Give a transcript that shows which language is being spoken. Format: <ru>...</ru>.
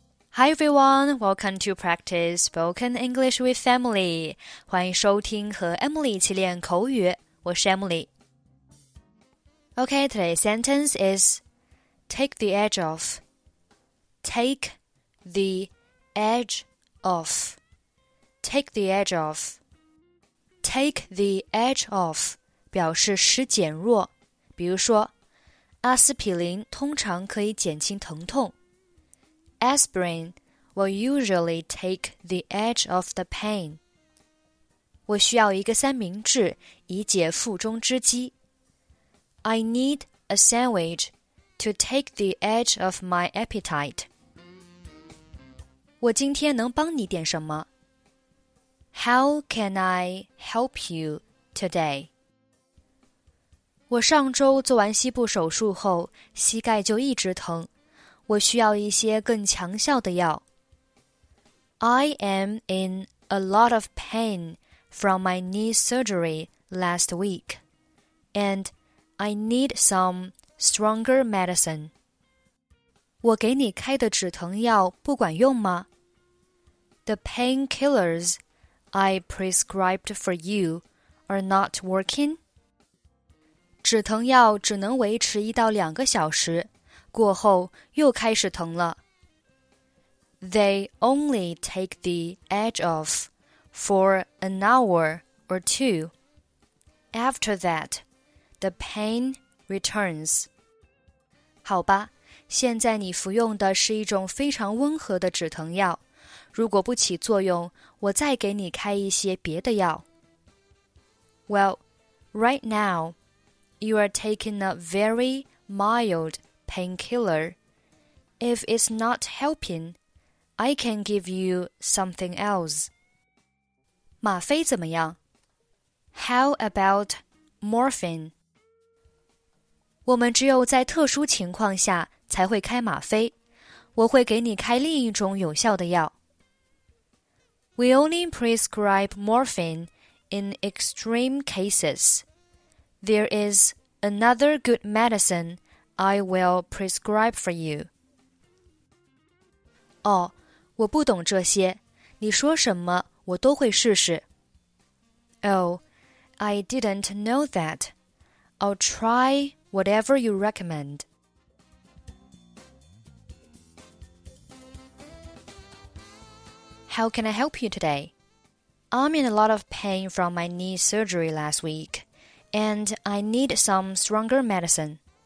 <en>Hi everyone, welcome to Practice Spoken English with Emily.</en> <zh>欢迎收听和 Emily 一起练口语。我是 Emily.</zh> <en>Okay, today's sentence is take the edge off. Take the edge off. Take the edge off. Take the edge off</en> <zh>表示使减弱。比如说，阿司匹林通常可以减轻疼痛。</zh> <en>Aspirin will usually take the edge off the pain.</en> <zh>我需要一个三明治以解腹中之饥。</zh> <en>I need a sandwich to take the edge off my appetite.</en> <zh>我今天能帮你点什么?</zh> <en>How can I help you today?</en> <zh>我上周做完膝部手术后，膝盖就一直疼。我需要一些更强效的药。</zh> <en>I am in a lot of pain from my knee surgery last week, and I need some stronger medicine.</en> <zh>我给你开的止疼药不管用吗?</zh> <en>The painkillers I prescribed for you are not working?</en> <zh>止疼药只能维持一到两个小时。过后又开始疼了。</zh> <en>They only take the edge off for an hour or two. After that, the pain returns.</en> <zh>好吧，现在你服用的是一种非常温和的止疼药。如果不起作用，我再给你开一些别的药。</zh> <en>Well, right now, you are taking a very mild painkiller. If it's not helping, I can give you something else.</en> <zh>吗啡怎么样?</zh> <en>How about morphine?</en> <zh>我们只有在特殊情况下才会开吗啡。我会给你开另一种有效的药。</zh> <en>We only prescribe morphine in extreme cases. There is another good medicine. I will prescribe for you.</en> <zh>哦，我不懂这些，你说什么我都会试试。</zh> <en>Oh, I didn't know that. I'll try whatever you recommend. How can I help you today? I'm in a lot of pain from my knee surgery last week, and I need some stronger medicine.</en>